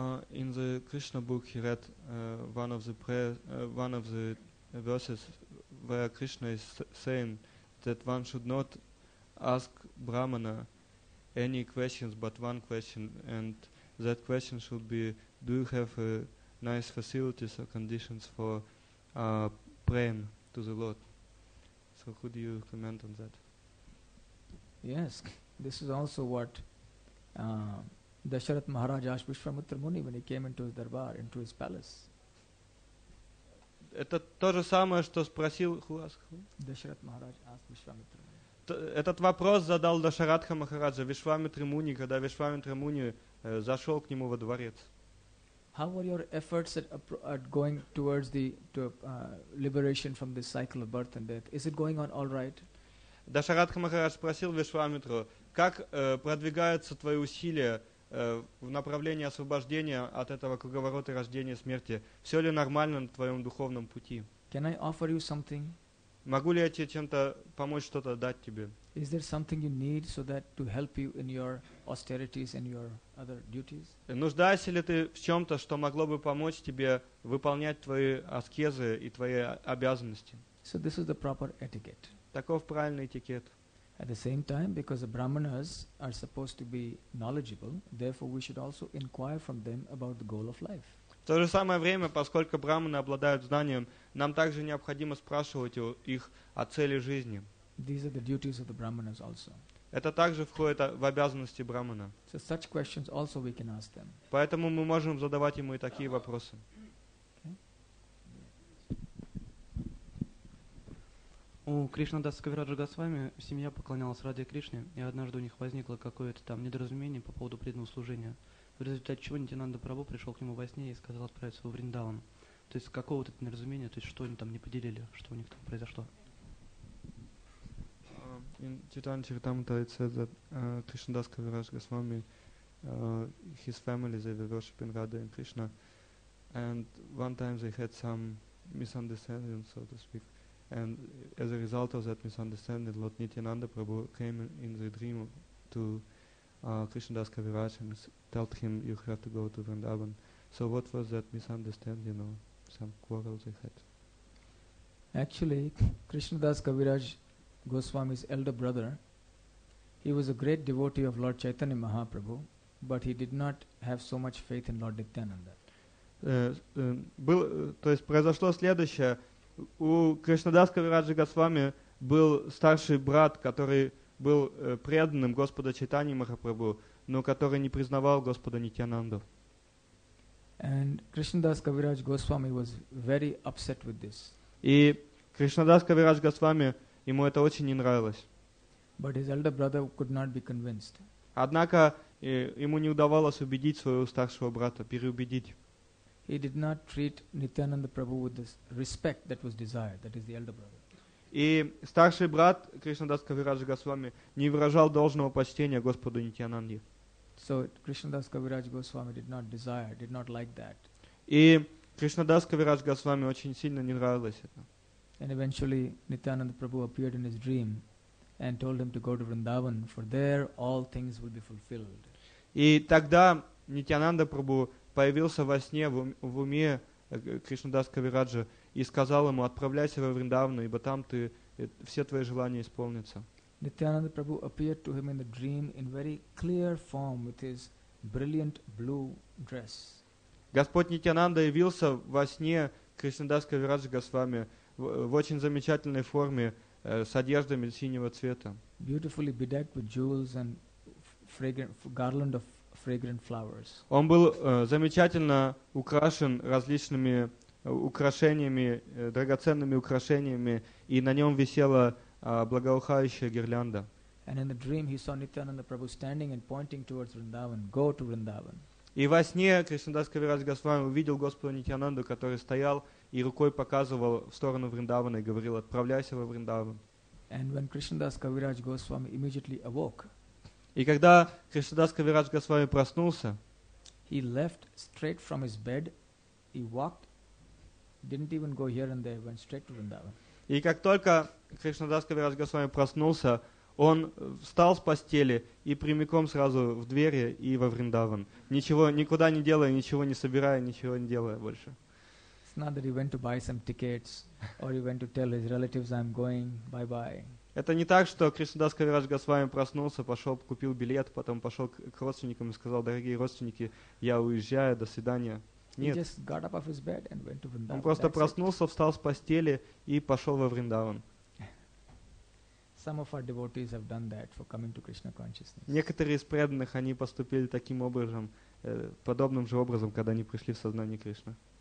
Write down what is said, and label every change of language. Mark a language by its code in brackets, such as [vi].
[en] In the Krishna book, he read one of the prayers, one of the verses where Krishna is saying that one should not ask Brahmana any questions, but one question, and that question should be: do you have nice facilities or conditions for praying to the Lord? So, could you comment on that? Yes, this is also what Dasharatha Maharaj asked Vishwamitra Muni when he came into his darbar, into his palace. [ru] Это то же самое, что спросил Дашарат Махарадж аст Вишвамитра Муни. Этот вопрос задал Дашаратха Махараджа Вишвамитра Муни, когда Вишвамитра Муни зашел к нему во дворец. [en] How were your efforts at going towards the liberation from this cycle of birth and death? Is it going on all right? [ru] Дашаратха Махарадж спросил Вишвамитру, как продвигаются твои усилия в направлении освобождения от этого круговорота рождения и смерти. Все ли нормально на твоем духовном пути? [en] Can I offer you something? [ru] Могу ли я тебе чем-то помочь, что-то дать тебе? [en] Is there something you need so that to help you in your austerities and your other duties? [ru] Нуждаешься ли ты в чем-то, что могло бы помочь тебе выполнять твои аскезы и твои обязанности? [en] So this is the proper etiquette. [ru] Таков правильный этикет. [en] At the same time, because the brahmanas are supposed to be knowledgeable, therefore we should also inquire from them about the goal of life. [ru] В то же самое время, поскольку брахманы обладают знанием, нам также необходимо спрашивать их о цели жизни. [en] These are the duties of the brahmanas also. [ru] Это также входит в обязанности брахмана. [en] So such questions also we can ask them. [ru] Поэтому мы можем задавать ему и такие вопросы. У Кришнадаса Кавираджа Госвами семья поклонялась Раде Кришне, и однажды у них возникло какое-то там недоразумение по поводу преданного служения, в результате чего Нитьянанда Прабху пришел к нему во сне и сказал отправиться во Вриндаван. То есть какого вот это недоразумение, то есть что они там не поделили, что у них там произошло? [en] In Chaitanya Charitamrita it says that Krishnadasa Kaviraja Goswami, his family, they were worshiping Radha and Krishna, and one time they had some misunderstanding, so to speak. And as a result of that misunderstanding, Lord Nityananda Prabhu came in the dream to Krishnadasa Kaviraj and told him, you have to go to Vrindavan. So what was that misunderstanding or some quarrel they had? Actually, Krishnadasa Kaviraj Goswami's elder brother, he was a great devotee of Lord Chaitanya Mahaprabhu, but he did not have so much faith in Lord Nityananda. [ru] То есть произошло следующее. У Кришнадаса Кавираджа Госвами был старший брат, который был преданным Господа Чайтани Махапрабху, но который не признавал Господа Нитьянанду. [en] And Krishnadasa Kaviraja Goswami was very upset with this. [ru] И Кришнадаса Кавираджа Госвами, ему это очень не нравилось. [en] But his elder brother could not be convinced. [ru] Однако ему не удавалось убедить своего старшего брата, переубедить. [en] He did not treat Nityananda Prabhu with the respect that was desired, that is the elder brother. [ru] И старший брат Кришнадаса Кавираджа Госвами не выражал должного почтения Господу Нитьянанде. [en] So Кришнадаса Кавираджа Госвами did not desire, did not like that. [ru] И Кришнадаса Кавираджа Госвами очень сильно не нравилось это. [en] And eventually Nityananda Prabhu appeared in his dream and told him to go to Vrindavan, for there all things will be fulfilled. [ru] И тогда Нитьянанда Прабху появился во сне в уме Кришнадаса Кавираджа и сказал ему, отправляйся во Вриндавану, ибо там ты все твои желания исполнятся. [en] Nityananda Prabhu appeared to him in the dream in very clear form with his brilliant blue dress. [ru] Господь Нитьянанда явился во сне Кришнадаса Кавираджа Госвами в очень замечательной форме с одеждами синего цвета. [en] Beautifully bedecked with jewels and fragrant garland of fragrant flowers. [ru] Он был замечательно украшен различными украшениями, драгоценными украшениями, и на нем висела благоухающая гирлянда. [en] And in the dream he saw Nityananda Prabhu standing and pointing towards Vrindavan. Go to Vrindavan. [ru] И во сне Кришнадас Кавираджа Госвами увидел Господа Нитьянанду, который стоял и рукой показывал в сторону Вриндавана и говорил: «Отправляйся во Вриндаван». [en] And when Krishnadas Kaviraj Goswami immediately awoke, [ru] и когда Кришнадас Кавираджа Госвами проснулся, [en] he left straight from his bed, he walked, didn't even go here and there, went straight to Vrindavan. [ru] И как только Кришнадас Кавираджа Госвами проснулся, он встал с постели и прямиком сразу в двери и во Вриндаван. Ничего, никуда не делая, ничего не собирая, ничего не делая больше. [en] It's not that he went to buy some tickets or he went to tell his relatives, I'm going, bye-bye. [ru] Это не так, что Кришнадас Кавираджа Госвами проснулся, пошел, купил билет, потом пошел к родственникам и сказал: дорогие родственники, я уезжаю, до свидания. Нет. [en] He just got up off his bed and went to Vrindavan. [ru] Он просто [en] That's [ru] проснулся, [en] it. [ru] Встал с постели и пошел во Вриндаван. [en] Some of our devotees have done that for coming to Krishna consciousness. [ru] Некоторые из преданных они поступили таким образом, подобным же образом, когда они пришли в сознание Кришны.